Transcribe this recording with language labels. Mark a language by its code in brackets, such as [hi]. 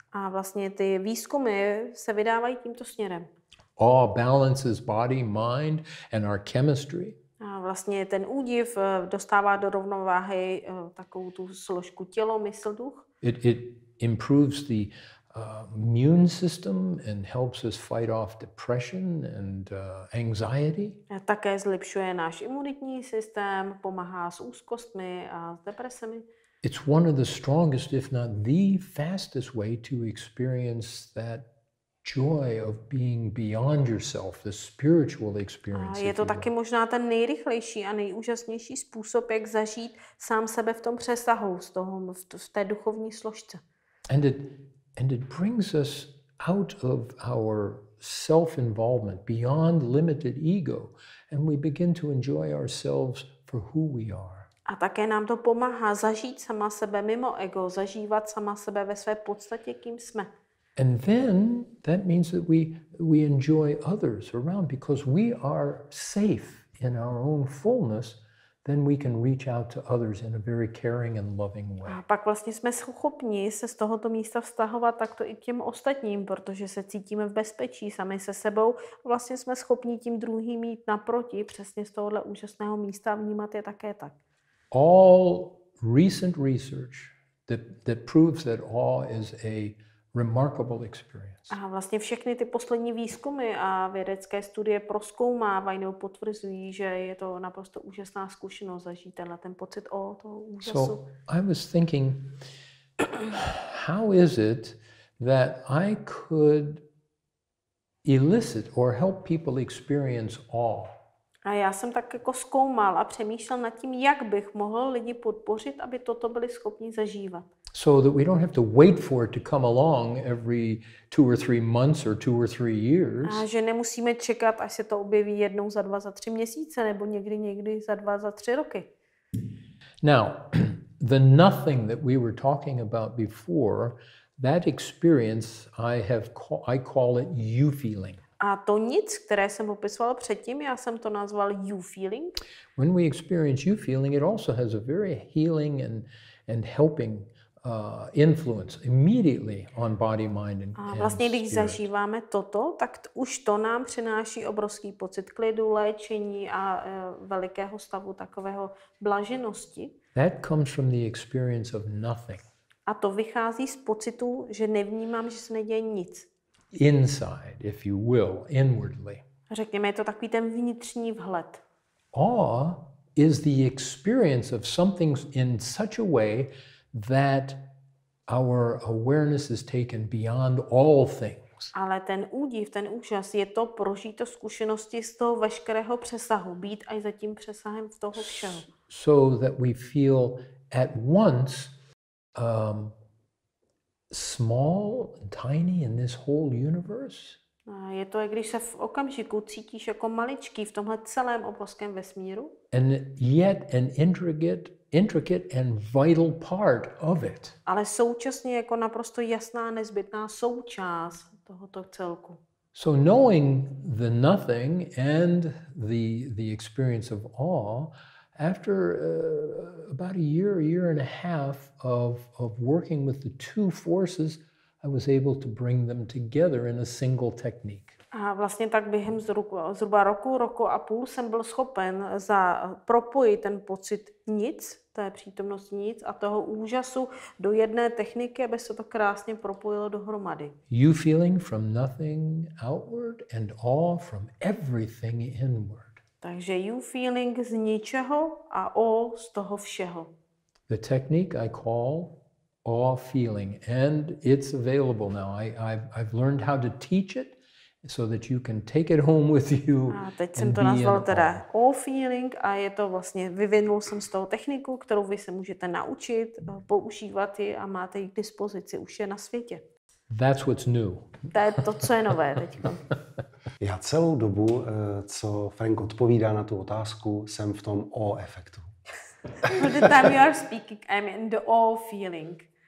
[cs] A vlastně ty výzkumy se vydávají tímto směrem. [en] Awe balances body, mind, and our chemistry. [cs] A vlastně ten údiv dostává do rovnováhy takovou tu složku tělo, mysl, duch. [en] It improves the immune system and helps us fight off depression and anxiety. [cs] A také zlepšuje náš imunitní systém, pomáhá s úzkostmi a s depresemi. [en] It's one of the strongest, if not the fastest way to experience that joy of being beyond yourself, the spiritual experience. [cs] A je to taky možná ten nejrychlejší a nejúžasnější způsob, jak zažít sám sebe v tom přesahu, v té duchovní složce. [en] And it brings us out of our self-involvement, beyond limited ego, and we begin to enjoy ourselves for who we are. [cs] A také nám to pomáhá zažít sama sebe mimo ego, zažívat sama sebe ve své podstatě, kým jsme. [en] And then that means that we enjoy others around because we are safe in our own fullness, then we can reach out to others in a very caring and loving way. [cs] A pak vlastně jsme schopni se z tohoto místa vztahovat takto i k těm ostatním, protože se cítíme v bezpečí sami se sebou. Vlastně jsme schopni tím druhým jít naproti přesně z tohohle úžasného místa a vnímat je také tak. [en] All recent research that proves that awe is a remarkable experience. [cs] A vlastně všechny ty poslední výzkumy a vědecké studie prozkoumávají nebo potvrzují, že je to naprosto úžasná zkušenost zažít tenhle ten pocit toho úžasu. [en] So I was thinking, how is it that I could elicit or help people experience awe? [cs] A já jsem tak jako zkoumal a přemýšlel nad tím, jak bych mohl lidi podpořit, aby toto byli schopni zažívat. [en] So that we don't have to wait for it to come along every 2 or 3 months or 2 or 3 years. [cs] A že nemusíme čekat, až se to objeví jednou za 2, za 3 měsíce nebo někdy za 2, za 3 roky. [en] Now, the nothing that we were talking about before, that experience I call it you feeling. [cs] A to nic, které jsem popisoval předtím, já jsem to nazval you feeling. [en] When we experience you feeling, it also has a very healing and helping influence immediately on body, mind and spirit. [cs] A vlastně když zažíváme toto, tak už to nám přináší obrovský pocit klidu, léčení a velikého stavu takového blaženosti. [en] That comes from the experience of nothing. [cs] A to vychází z pocitu, že nevnímám, že se neděje nic. [en] Inside, if you will, inwardly. [cs] Řekněme, je to takový ten vnitřní vhled. [en] Awe is the experience of something in such a way that our awareness is taken beyond all things. [cs] Ale ten údiv, ten úžas je to prožít to zkušenosti z toho veškerého přesahu, být až za tím přesahem z toho všeho. [en] So that we feel at once small, tiny in this whole universe. [cs] A je to, jak když se v okamžiku cítíš jako maličký v tomhle celém obrovském vesmíru. [en] And yet an intricate and vital part of it. [cs] Ale současně jako naprosto jasná nezbytná součást tohoto celku. [en] So knowing the nothing and the experience of awe, after about a year and a half of working with the two forces, I was able to bring them together in a single technique. [cs] A vlastně tak během zhruba roku a půl jsem byl schopen propojit ten pocit nic, té přítomnost nic a toho úžasu do jedné techniky, aby se to krásně propojilo dohromady. [en] You feeling from nothing outward and awe from everything inward. [cs] Takže you feeling z ničeho a awe z toho všeho. [en] The technique I call awe feeling and it's available now. I've learned how to teach it. So that you can take it home with you. [cs] A teď jsem to nazval teda all feeling a je to vlastně, vyvinul jsem z toho techniku, kterou vy se můžete naučit, používat ji a máte ji k dispozici, už je na světě. That's what's new. To je to, co je nové teď. Já celou dobu, co Frank odpovídá na tu otázku, jsem v tom all efektu. [en] For the time you are speaking, I'm in the all feeling.